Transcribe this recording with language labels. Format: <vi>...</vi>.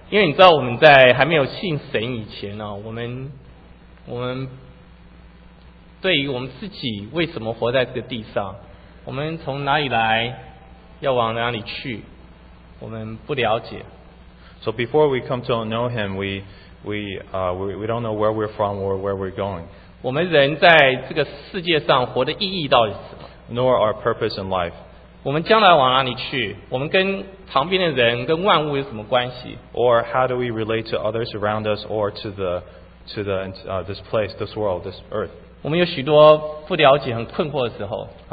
<en>So before we come to know Him, we don't know where we're from or where we're going.</en> <zh>我们人在这个世界上活的意义到底是什么?</zh> <en>Nor our purpose in life.</en> <zh>我们将来往哪里去? 我们跟旁边的人跟万物有什么关系?</zh> <en>Or how do we relate to others around us or to this place, this world, this earth?</en> <zh>我们有许多不了解很困惑的时候。</zh>